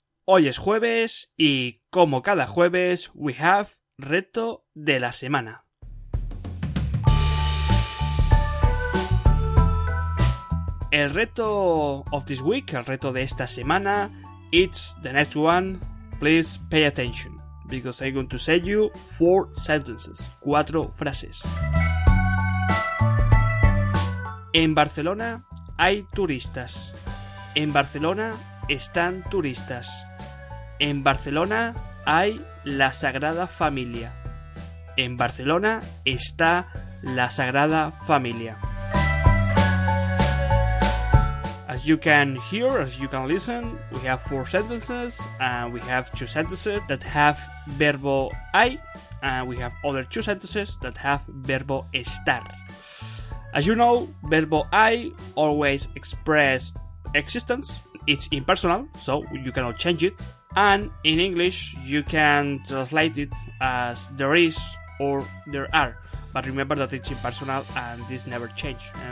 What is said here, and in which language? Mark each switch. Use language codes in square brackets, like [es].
[es] Hoy es jueves y, como cada jueves, [en] we have [es] reto de la semana. El reto [en] of this week, [es] el reto de esta semana, [en] it's the next one, please pay attention, because I'm going to say you 4 sentences, [es] 4 frases. En Barcelona hay turistas. En Barcelona están turistas. En Barcelona hay la Sagrada Familia. En Barcelona está la Sagrada Familia. [en] As you can hear, as you can listen, we have 4 sentences, and we have 2 sentences that have verbo hay, and we have other 2 sentences that have verbo estar. As you know, verbo hay always express existence, it's impersonal, so you cannot change it, and in English you can translate it as there is or there are, but remember that it's impersonal and this never change.